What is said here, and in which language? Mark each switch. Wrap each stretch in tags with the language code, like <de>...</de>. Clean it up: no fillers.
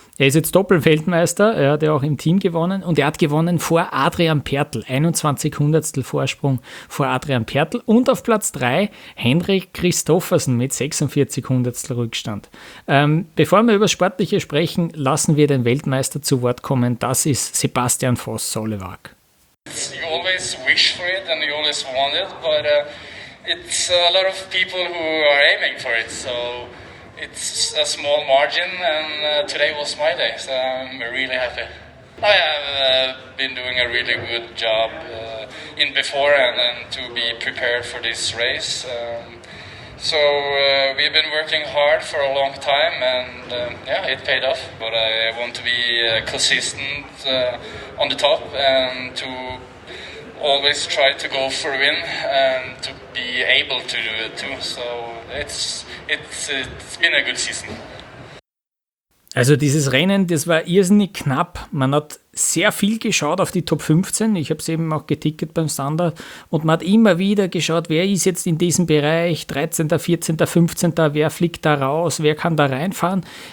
<de>Er ist jetzt Doppelweltmeister, er hat ja auch im Team gewonnen und er hat gewonnen vor Adrian Pertl, 21 Hundertstel Vorsprung vor Adrian Pertl und auf Platz 3 Henrik Christoffersen mit 46 Hundertstel Rückstand. Bevor wir über Sportliche sprechen, lassen wir den Weltmeister zu Wort kommen, das ist Sebastian Voss-Solewag.</de> <en>You always wish for it and you always want it, but it's a lot of people who are aiming for it, so it's a small margin, and today was my day, so I'm really happy. I have been doing a really good job in before and to be prepared for this race. So we've been working hard for a long time, and it paid off. But I want to be consistent on the top and to always try to go for a win and to be able to do it too. So it's been a good season.</en> <de>Also dieses Rennen, das war irrsinnig knapp. Man hat sehr viel geschaut auf die Top 15. Ich habe es eben auch getickert beim Standard. Und man hat immer wieder geschaut, wer ist jetzt in diesem Bereich, 13., 14., 15., wer fliegt da raus, wer kann da reinfahren.</de>